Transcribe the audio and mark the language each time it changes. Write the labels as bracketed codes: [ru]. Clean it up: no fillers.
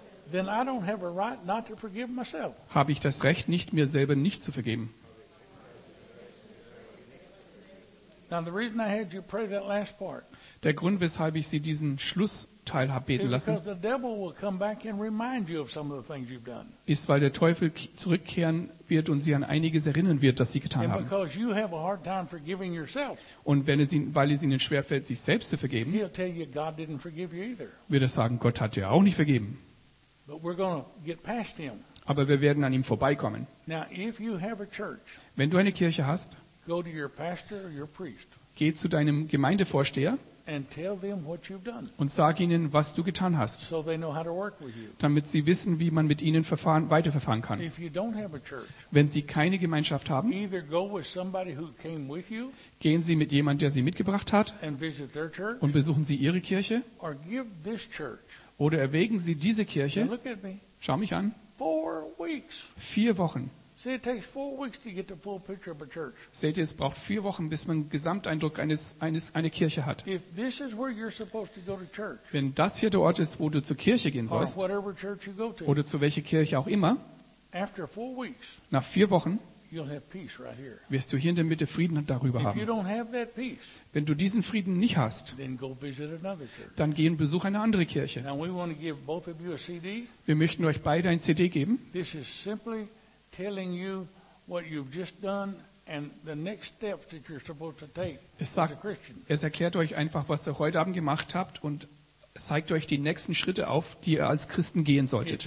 [en] then I don't have a right not to forgive myself. [de] Habe ich das Recht, nicht mir selber nicht zu vergeben? [en] Now the reason I had you pray that last part. [de] Der Grund, weshalb ich Sie diesen Schlussteil habe beten lassen, [en] because the devil will come back and remind you of some of the things you've done. [de] Ist, weil der Teufel zurückkehren wird und Sie an einiges erinnern wird, das Sie getan [en] and [de] haben. [en] Because you have a hard time forgiving yourself. [de] Und weil es Ihnen schwer fällt, sich selbst zu vergeben, [en] he'll tell you God didn't forgive you either. [de] Wird er sagen, Gott hat dir auch nicht vergeben. [en] But we're going to get past him. [de] Aber wir werden an ihm vorbeikommen. [en] Now, if you have a church, [de] wenn du eine Kirche hast, [en] go to your pastor or your priest, [de] geh zu deinem Gemeindevorsteher [en] and tell them what you've done, [de] und sag ihnen, was du getan hast, [en] so they know how to work with you, [de] damit sie wissen, wie man mit ihnen weiterverfahren kann. [en] If you don't have a church, [de] wenn sie keine Gemeinschaft haben, [en] either go with somebody who came with you, [de] gehen sie mit jemandem, der sie mitgebracht hat, [en] and visit their church, [de] und besuchen sie ihre Kirche, [en] or give this church. [de] Oder erwägen Sie diese Kirche. Schau mich an. 4 Wochen. 4 Wochen. [en] See, it takes 4 weeks to get the full picture of a church. [de] Seht ihr, es braucht 4 Wochen, bis man Gesamteindruck einer Kirche hat. [en] If this is where you're supposed to go to church, [de] wenn das hier der Ort ist, wo du zur Kirche gehen sollst, [en] or whatever church you go to, [de] oder zu welcher Kirche auch immer, [en] after 4 weeks, [de] nach 4 Wochen, [en] you'll have peace right here. [de] Wirst du hier in der Mitte Frieden darüber [en] if [de] haben. [en] You don't have that peace, [de] wenn du diesen Frieden nicht hast, [en] then go visit another church. [de] Dann geh und besuch eine andere Kirche. [en] Now we want to give both of you a CD. [de] Wir möchten euch beide ein CD geben. [en] This is simply telling you what you've just done and the next steps that you're supposed to take as a Christian. [de] Es erklärt euch einfach, was ihr heute Abend gemacht habt und zeigt euch die nächsten Schritte auf, die ihr als Christen gehen solltet.